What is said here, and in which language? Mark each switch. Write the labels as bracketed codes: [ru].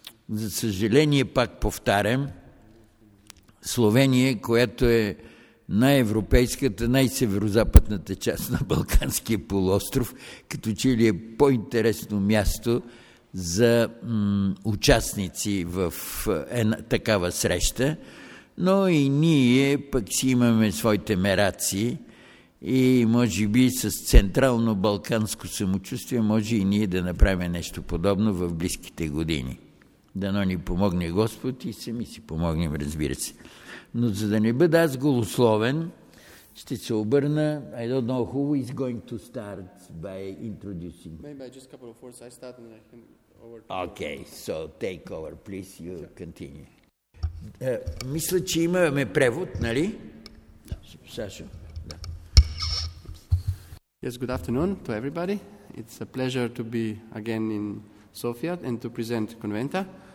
[bg] За съжаление, пак повтарям, Словения, която е най-европейската, най-северозападната част на Балканския полуостров, като че ли е по-интересно място за участници в една такава среща, но и ние пък си имаме своите мерации и може би с централно-балканско самочувствие може и ние да направим нещо подобно в близките години. Дано ни помогне Господ и сами си помогнем, разбира се. Но за да не бъда аз голословен, ще се обърна. [en] I don't know who is going to start by introducing. Maybe just a couple of words. I start and I can over. Okay, so take over, please. You continue. [bg] Мисля, че имаме превод, нали? Сашо. [en] Yes, good afternoon to everybody. It's a pleasure to be again in Sofia and to present Conventa.